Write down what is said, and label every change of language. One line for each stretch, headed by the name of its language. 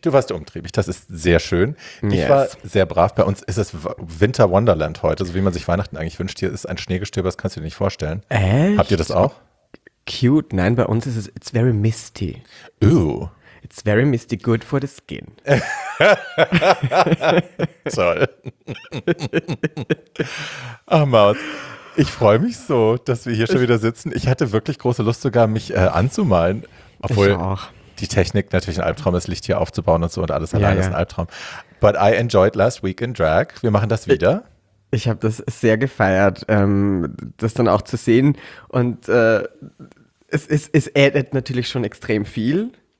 German: Du warst umtriebig, das ist sehr schön. Ich war sehr brav. Bei uns ist es Winter Wonderland heute, so wie man sich Weihnachten eigentlich wünscht. Hier ist ein Schneegestöber, das kannst du dir nicht vorstellen. Echt? Habt ihr das auch? Cute, nein, bei uns ist es,
English: it's very misty. Ooh. It's very misty, good for the skin.
German: Toll. Ach, Maus. Ich freue mich so, dass wir hier schon wieder sitzen. Ich hatte wirklich große Lust, sogar mich anzumalen. Obwohl die Technik natürlich ein Albtraum ist, Licht hier aufzubauen und so und alles alleine ist ein Albtraum.
English: But I enjoyed last week in drag.
German: Wir machen das wieder. Ich habe das sehr gefeiert, das dann auch zu sehen. Und es added natürlich schon extrem viel.